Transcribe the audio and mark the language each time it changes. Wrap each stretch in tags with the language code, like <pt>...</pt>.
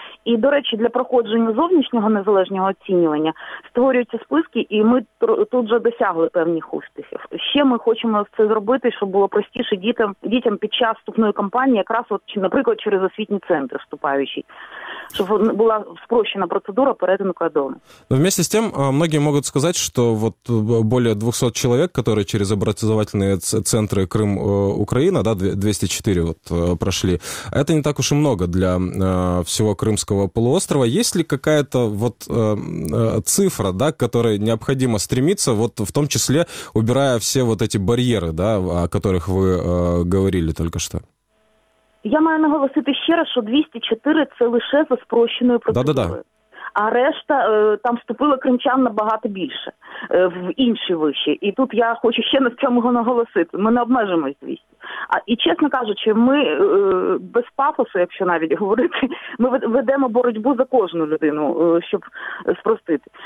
<uk>І, до речі, для проходження зовнішнього незалежного оцінювання створюються списки, і ми тут вже досягли певних успіхів. Ще ми хочемо це зробити, щоб було простіше дітям під час вступної кампанії, якраз, наприклад, через освітній центр вступаючий.</uk> <ru>Чтобы была</ru> <uk>спрощена процедура перетину кордона.</uk> <ru>Но вместе с тем, многие могут сказать, что вот более 200 человек, которые через образовательные центры Крым-Украина, да, 204 вот прошли, это не так уж и много для всего Крымского полуострова. Есть ли какая-то вот цифра, да, к которой необходимо стремиться, вот в том числе убирая все вот эти барьеры, да, о которых вы говорили только что?</ru> <uk>Я маю наголосити ще раз, що 204 – це лише за спрощеною процедурою.</uk> <ru>Да.</ru> <uk>А решта, там вступило кримчан набагато більше, в інші виші. І тут я хочу ще на цьому наголосити. Ми не обмежимось 200. І чесно кажучи, ми без пафосу, якщо навіть говорити, ми ведемо боротьбу за кожну людину, щоб спростити.</uk>